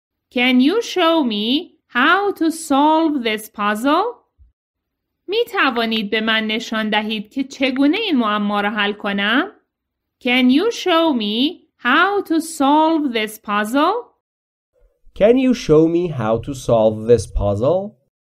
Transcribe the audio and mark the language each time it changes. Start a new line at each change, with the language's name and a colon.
English: Can you show me how to solve this puzzle?
Persian: می توانید به من نشان دهید که چگونه این معما را حل کنم؟
English: Can you show me how to solve this puzzle? Can you show me how to solve this puzzle?